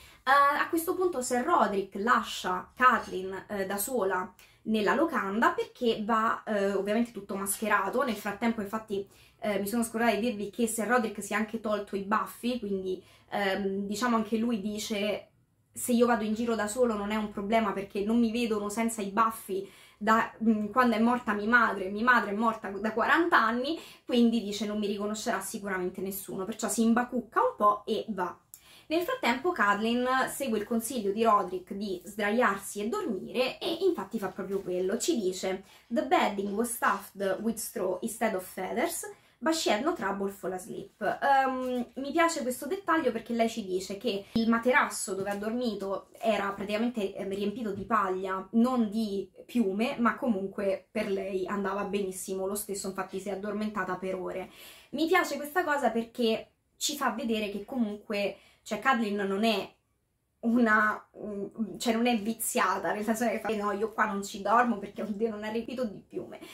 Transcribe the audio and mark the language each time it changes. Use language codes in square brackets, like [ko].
[it] A questo punto Sir Roderick lascia Catelyn da sola nella locanda perché va ovviamente tutto mascherato. Nel frattempo infatti mi sono scordata di dirvi che Sir Roderick si è anche tolto i baffi, quindi diciamo anche lui dice: se io vado in giro da solo non è un problema perché non mi vedono senza i baffi da quando è morta mia madre è morta da 40 anni, quindi dice: non mi riconoscerà sicuramente nessuno. Perciò si imbacucca un po' e va. Nel frattempo, Cadlin segue il consiglio di Roderick di sdraiarsi e dormire, e infatti fa proprio quello. Ci dice: [en] The bedding was stuffed with straw instead of feathers, but she had no trouble fall asleep. [it] Mi piace questo dettaglio perché lei ci dice che il materasso dove ha dormito era praticamente riempito di paglia, non di piume, ma comunque per lei andava benissimo lo stesso, infatti si è addormentata per ore. Mi piace questa cosa perché ci fa vedere che comunque, cioè, Cadlin non è una, cioè non è viziata, nel senso che fa: no, io qua non ci dormo perché oddio, non è riempito di piume.